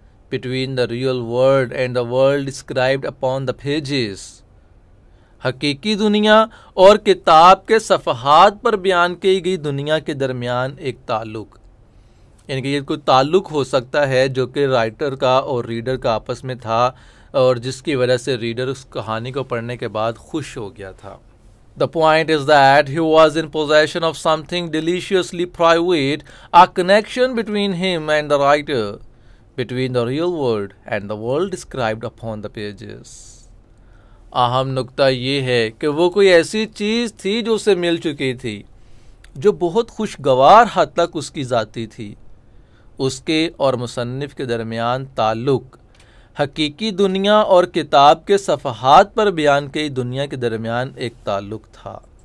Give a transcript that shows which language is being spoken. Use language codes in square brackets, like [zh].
[en] between the real world and the world described upon the pages, [ur] حقیقی دنیا اور کتاب کے صفحات پر بیان کی گئی دنیا کے درمیان ایک تعلق. یعنی کہ یہ کوئی تعلق ہو سکتا ہے جو کہ رائٹر کا اور ریڈر کا آپس میں تھا اور جس کی وجہ سے ریڈر اس کہانی کو پڑھنے کے بعد خوش ہو گیا تھا. [en] The point is that he was in possession of something deliciously private, a connection between him and the writer, between the real world and the world described upon the pages. [ur] اہم نقطہ یہ ہے کہ وہ کوئی ایسی چیز تھی جو اسے مل چکی تھی جو بہت خوشگوار حد تک اس کی ذاتی تھی. اس کے اور مصنف کے درمیان تعلق حقیقی دنیا اور کتاب کے صفحات پر بیان کی دنیا کے درمیان ایک تعلق تھا.